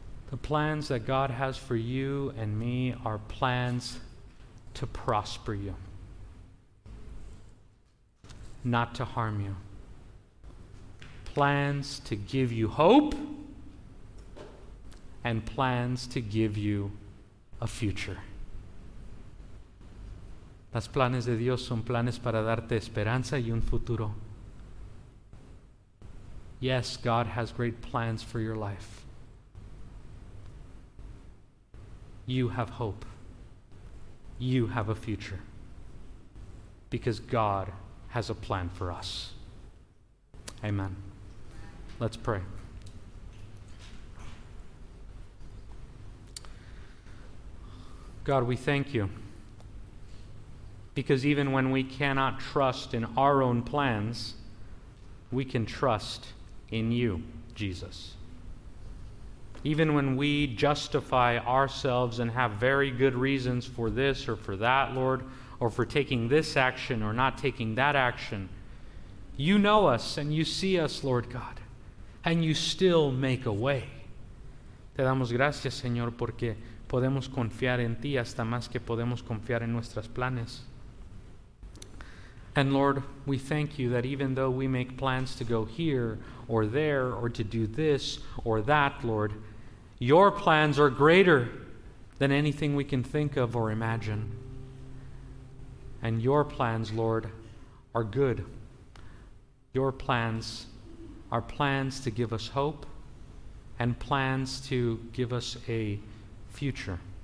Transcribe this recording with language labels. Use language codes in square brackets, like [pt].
[en] The plans that God has for you and me are plans to prosper you, not to harm you. Plans to give you hope and plans to give you a future. [es] Los planes de Dios son planes para darte esperanza y un futuro. [en] Yes, God has great plans for your life. You have hope. You have a future. Because God has a plan for us. Amen. Let's pray. God, we thank you. Because even when we cannot trust in our own plans, we can trust in you, Jesus. Even when we justify ourselves and have very good reasons for this or for that, Lord, or for taking this action or not taking that action, you know us and you see us, Lord God, and you still make a way. [es] Te damos gracias, Señor, porque podemos confiar en ti hasta más que podemos confiar en nuestros planes. [en] And Lord, we thank you that even though we make plans to go here or there or to do this or that, Lord, your plans are greater than anything we can think of or imagine. And your plans, Lord, are good. Your plans are plans to give us hope and plans to give us a future.